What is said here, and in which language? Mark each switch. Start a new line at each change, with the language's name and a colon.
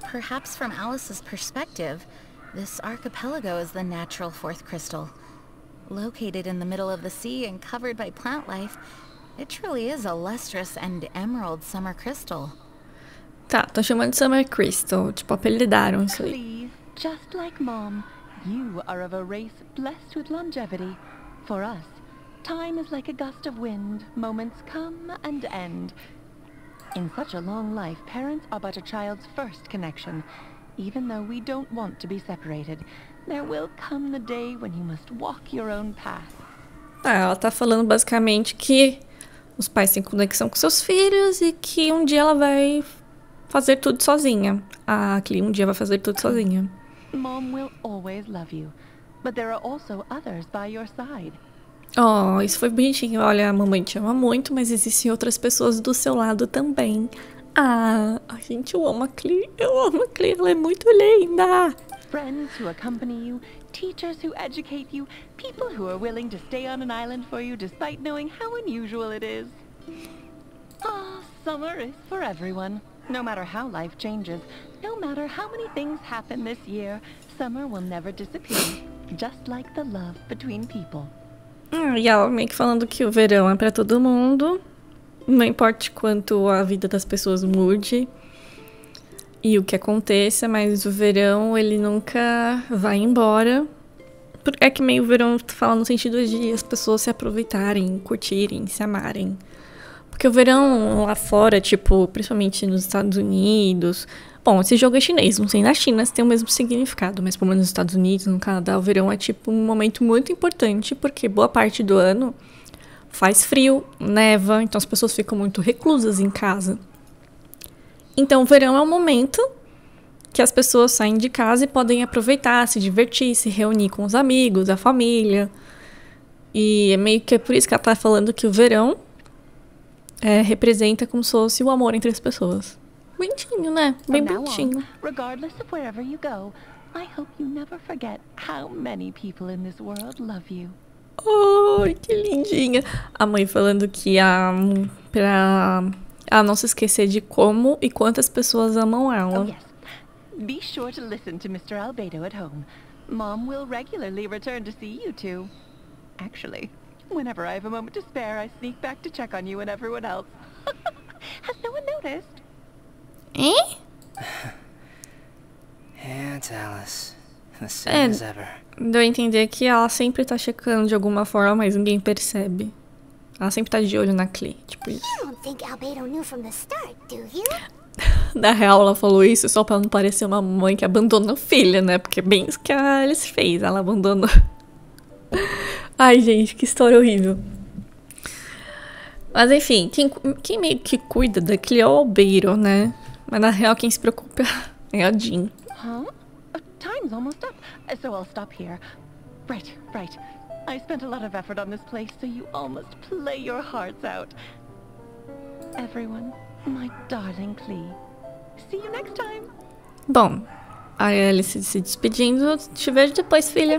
English: Perhaps from Alice's perspective, this archipelago is the natural fourth crystal. Located in the middle of the sea and covered by plant life, it truly is a lustrous and emerald summer crystal.
Portuguese: Tá, tô chamando de summer crystal, tipo apelidaram isso aí.
English: Please, just like mom, you are of a race blessed with longevity. For us, time is like a gust of wind. Moments come and end. In such a long life, parents are but a child's first connection. Even though we don't want to be separated, there will come the day when you must walk your own path.
Portuguese: Ah, ela tá falando basicamente que os pais têm conexão com seus filhos e que um dia ela vai fazer tudo sozinha. Ah, que um dia vai fazer tudo sozinha.
English: Mom will always love you, but there are also others by your side.
Portuguese: Oh, isso foi bonitinho. Olha, a mamãe te ama muito, mas existem outras pessoas do seu lado também. Ah, a gente, eu amo a Clea. Eu amo a Clea, ela é muito linda.
English: Friends who accompany you, teachers who educate you, people who are willing to stay on an island for you despite knowing how unusual it is. Ah, summer is for everyone. No matter how life changes, no matter how many things happen this year, summer will never disappear. Just like the love between people.
Portuguese: E ela meio que falando que o verão é pra todo mundo. Não importa quanto a vida das pessoas mude. E o que aconteça, mas o verão, ele nunca vai embora. É que meio verão fala no sentido de as pessoas se aproveitarem, curtirem, se amarem. Porque o verão lá fora, tipo, principalmente nos Estados Unidos... Bom, esse jogo é chinês, não sei, na China tem o mesmo significado, mas pelo menos nos Estados Unidos, no Canadá, o verão é tipo um momento muito importante, porque boa parte do ano faz frio, neva, então as pessoas ficam muito reclusas em casa. Então o verão é o momento que as pessoas saem de casa e podem aproveitar, se divertir, se reunir com os amigos, a família. E é meio que é por isso que ela tá falando que o verão representa como se fosse o amor entre as pessoas. Bonitinho, né? Bem bonitinho.
English: Regardless of wherever you go, I hope you never forget how many people in this world love you.
Portuguese: Ai, que lindinha. A mãe falando que pra ela não se esquecer de como e quantas pessoas amam ela.
English: Oh, yes. Be sure to listen to Mr. Albedo at home. Mom will regularly return to see you two. Actually, whenever I have a moment to spare, I sneak back to check on you and everyone else. Has no one noticed? Aunt Alice, the same as ever.
Portuguese: Deu a entender que ela sempre tá checando de alguma forma, mas ninguém percebe. Ela sempre tá de olho na Clea, tipo isso.
English: You don't think Albedo knew from the start, do you?
Portuguese: Na real, ela falou isso só pra não parecer uma mãe que abandona o filho, né? Porque é bem isso que a Alice fez, ela abandonou. Ai, gente, que história horrível. Mas enfim, quem meio que cuida da Clea é o Albedo, né? Mas na real quem se preocupa é a Jean.
English: Huh? Time's almost up, so I'll stop here. Right, right. I spent a lot of effort on this place, so you almost play your hearts out. Everyone, my darling Clea. See you next time.
Portuguese: Bom, A Alice se despedindo. Te vejo depois, filha.